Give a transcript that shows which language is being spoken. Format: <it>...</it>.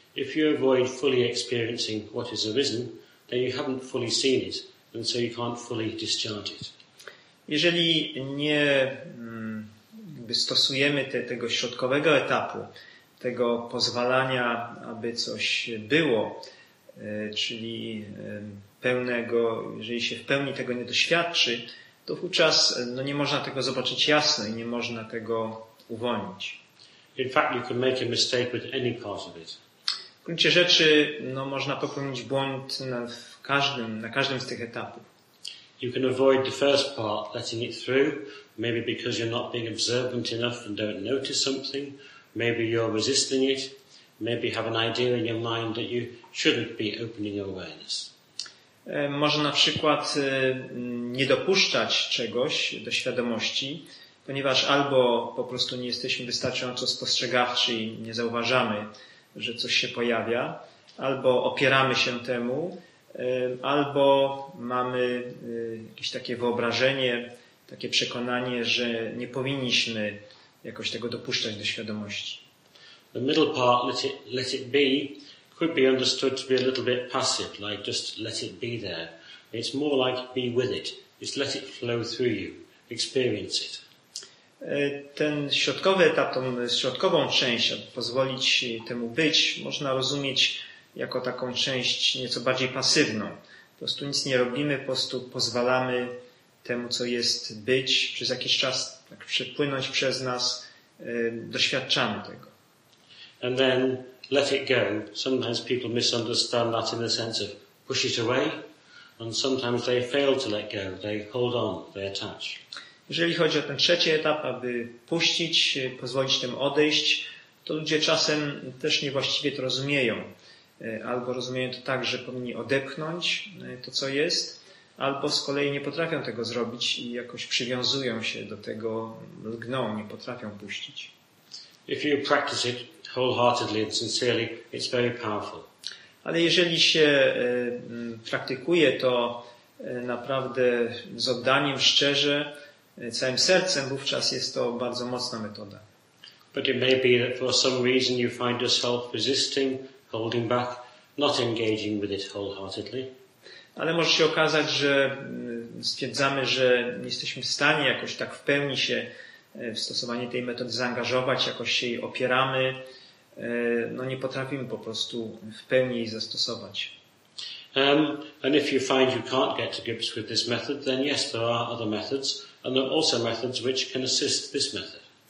<en>If you avoid fully experiencing what is arisen, then you haven't fully seen it, and so you can't fully discharge it.</en> <pl>Jeżeli nie stosujemy tego środkowego etapu, tego pozwalania, aby coś było, czyli pełnego, jeżeli się w pełni tego nie doświadczy, to wówczas nie można tego zobaczyć jasno i nie można tego uwolnić.</pl> <en>In fact, you can make a mistake with any part of it.</en> <pl>W gruncie rzeczy można popełnić błąd na każdym z tych etapów.</pl> <en>You can avoid the first part, letting it through, maybe because you're not being observant enough and don't notice something, maybe you're resisting it, maybe have an idea in your mind that you shouldn't be opening your awareness.</en> <pl>Można na przykład nie dopuszczać czegoś do świadomości, ponieważ albo po prostu nie jesteśmy wystarczająco spostrzegawczy i nie zauważamy, że coś się pojawia, albo opieramy się temu, albo mamy jakieś takie wyobrażenie, takie przekonanie, że nie powinniśmy jakoś tego dopuszczać do świadomości.</pl> <en>The middle part, let it be, could be understood to be a little bit passive, like just let it be there. It's more like be with it. It's let it flow through you. Experience it.</en> <pl>Ten środkowy etap, tą środkową część, aby pozwolić temu być, można rozumieć jako taką część nieco bardziej pasywną. Po prostu nic nie robimy, po prostu pozwalamy temu, co jest, być, przez jakiś czas tak przepłynąć przez nas, doświadczamy tego.</pl> <en>And then let it go. Sometimes people misunderstand that in the sense of push it away, and sometimes they fail to let go, they hold on, they attach.</en> <pl>Jeżeli chodzi o ten trzeci etap, aby puścić, pozwolić tym odejść, to ludzie czasem też niewłaściwie to rozumieją. Albo rozumieją to tak, że powinni odepchnąć to, co jest, albo z kolei nie potrafią tego zrobić i jakoś przywiązują się do tego, lgną, nie potrafią puścić.</pl> <en>If you practice it wholeheartedly and sincerely, it's very powerful.</en> <pl>Ale jeżeli się praktykuje to naprawdę z oddaniem, szczerze, całym sercem, wówczas jest to bardzo mocna metoda.</pl> <en>But it may be that for some reason you find yourself resisting, holding back, not engaging with it wholeheartedly.</en> <pl>Ale może się okazać, że stwierdzamy, że nie jesteśmy w stanie jakoś tak w pełni się w stosowanie tej metody zaangażować, jakoś się jej opieramy, nie potrafimy po prostu w pełni jej zastosować.</pl> <en>And if you find you can't get to grips with this method, then yes, there are other methods. And there are also methods which can assist this method.</en>